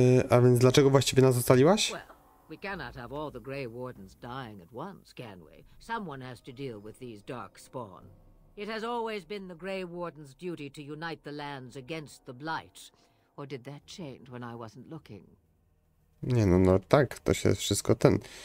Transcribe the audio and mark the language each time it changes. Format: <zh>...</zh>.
<pl>A więc dlaczego właściwie nas ocaliłaś?</pl> <en>We cannot have all the Grey Wardens dying at once, can we? Someone has to deal with these dark spawn. It has always been the Grey Wardens' duty to unite the lands against the blight. Or did that change when I wasn't looking?</en> <pl>Nie, no, no tak, to się wszystko ten.</pl>